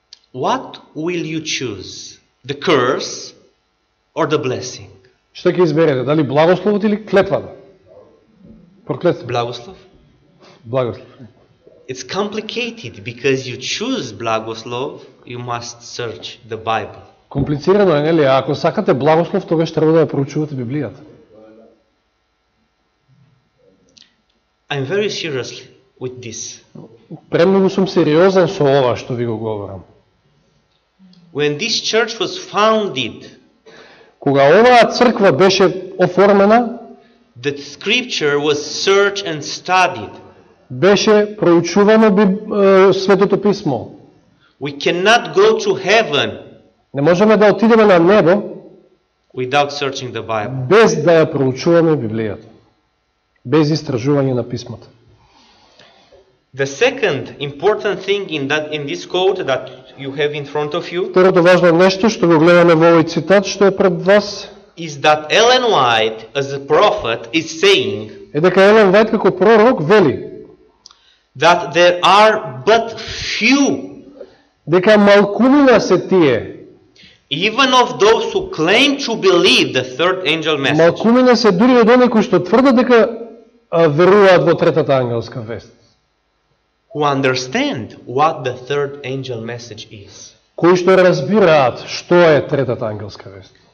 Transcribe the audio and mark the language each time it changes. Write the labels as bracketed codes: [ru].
[en] What will you choose, the curse or the blessing? [mk] Што ќе изберете, дали благословот или клетвата? Проклетство. Благослов. [en] It's complicated because you choose [mk] blagoslov, [en] you must search the Bible. [mk] Комплицирано е, нели? Ако сакате благослов, тогаш треба да ја проучувате Библијата. [en] I'm very serious with this. [mk] Премногу сум сериозен со ова што ви го говорам. [en] When this church was founded, [mk] кога оваа црква беше оформена, [en] the scripture was searched and studied. [mk] Беше проучувано Светото Писмо. [en] We cannot go to heaven. [mk] Не можеме да отидеме на небо [en] without searching the Bible. [mk] Без да ја проучуваме Библијата. Без истражување на Писмото. [en] The second important thing in that in this quote that you have in front of you. [mk] Второто важно нешто што го гледаме во овој цитат што е пред вас [en] is that Ellen White as a prophet is saying. [mk] Е дека Елен Вајт како пророк вели [en] that there are but few, [mk] дека малкумина се тие, [en] even of those who claim to believe the third angel message, [mk] малкумина се дури од оние кои што тврдат дека веруваат во третата ангелска вест, [en] who understand what the third angel message is, [mk] кои што разбираат што е третата ангелска вест.